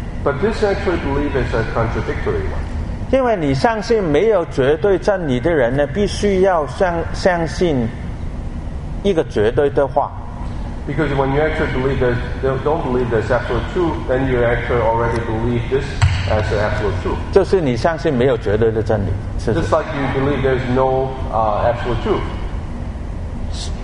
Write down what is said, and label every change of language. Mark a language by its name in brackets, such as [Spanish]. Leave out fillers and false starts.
[English] But this actually belief is a contradictory one. [Chinese] 因为你相信没有绝对真理的人呢，必须要相信一个绝对的话。 [English] Because when you actually believe there's don't believe there's absolute truth, then you actually already believe this as the absolute truth. [Chinese] 就是你相信没有绝对的真理，是 [English] 的。Just like you believe there's no absolute truth.